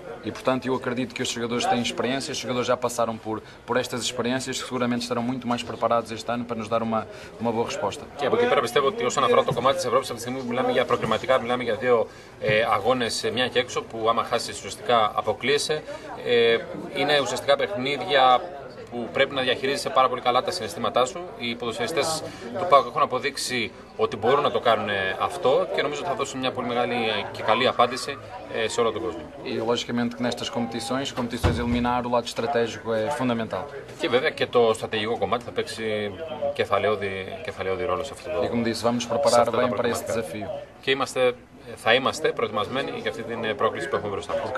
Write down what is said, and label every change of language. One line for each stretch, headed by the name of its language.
Portuguese: E portanto eu acredito que os jogadores têm experiência, os jogadores já passaram por estas experiências, seguramente estarão muito mais preparados este ano para nos dar uma boa resposta.
Greek: Και από εκεί πέρα πιστεύω ότι όσον αφορά το κομμάτι της Ευρώπης, αυτή τη στιγμή μιλάμε για προκριματικά, μιλάμε για δύο αγώνες, μια και έξω, που άμα χάσεις ουσιαστικά αποκλείεσαι. Είναι ουσιαστικά παιχνίδια που πρέπει να διαχειρίζεσαι πάρα πολύ καλά τα συναισθήματά σου. Οι ποδοσφαιριστές του ΠΑΟΚ έχουν αποδείξει ότι μπορούν να το κάνουν αυτό και νομίζω ότι θα δώσουν μια πολύ μεγάλη και καλή απάντηση σε όλο τον κόσμο.
Portuguese: Logicamente que nestas competições, competições eliminar, o lado estratégico é fundamental.
Greek: Και βέβαια και το στρατηγικό κομμάτι θα παίξει κεφαλαιόδη ρόλο σε αυτό το.
Portuguese: E como disse, vamos preparar bem para este desafio.
Greek: Και είμαστε. Θα είμαστε προετοιμασμένοι για αυτή την πρόκληση που έχουμε μπροστά μας.